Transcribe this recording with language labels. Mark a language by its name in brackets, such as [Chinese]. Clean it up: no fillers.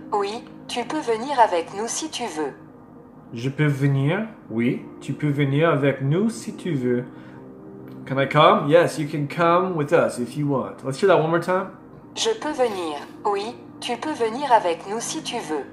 [French] Oui, tu peux venir avec nous si tu veux. Je peux venir? Oui, tu peux venir avec nous si tu veux. [English] Can I come? Yes, you can come with us if you want. Let's hear that one more time. [French] Je peux venir. Oui, tu peux venir avec nous si tu veux.